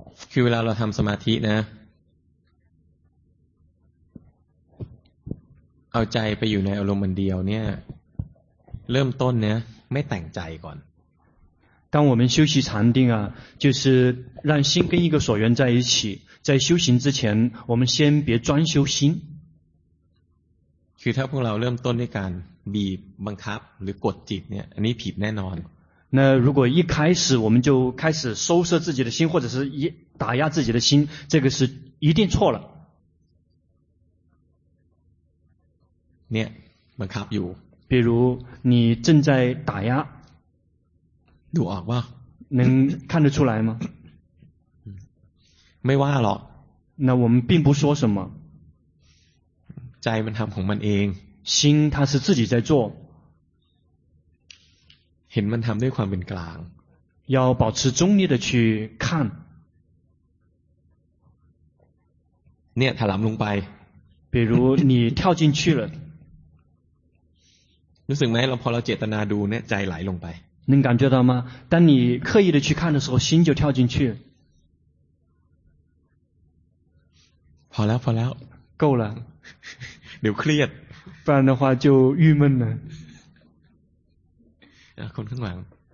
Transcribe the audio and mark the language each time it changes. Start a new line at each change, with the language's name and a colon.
Thai: คือเวลาเราทำสมาธินะเอาใจไปอยู่ในอารมณ์เดียวเนี่ยเริ่มต้นเนี่ยไม่แต่งใจก่อน
Chinese: 当我们修习禅定啊就是让心跟一个所缘在一起在修行之前我们先别专修心
Thai: คือถ้าพวกเราเริ่มต้นด้วยการบีบบังคับหรือกดจิตเนี่ยอันนี้ผิดแน่นอน
Chinese: 那如果一开始我们就开始收摄自己的心或者是打压自己的心这个是一定错了
Thai: เนี่ยบังคับอยู่
Chinese: 比如你正在打压
Thai: ดูออกว่า
Chinese: 能看得出来吗
Thai: ไม่ว่าหรอก
Chinese: 那我们并不说什么
Thai: ใจมันทำของมันเอง
Chinese: 心它是自己在做
Thai: เห็นมันทำด้วยความเป็นกลาง
Chinese: 要保持中立的去看
Thai: เนี่ยถลำลงไป
Chinese: 比如你跳进去了
Thai: รู้สึกไหมพอเราเจตนาดูเนี่ยใจไหลลงไป
Chinese: 能感觉到吗当你刻意的去看的时候心就跳进去
Thai: พอแล้วพอแล้ว
Chinese: 够了
Thai: เดี๋ยวเครียด
Chinese: 不然的话就郁闷了
Thai: คนข้างหลัง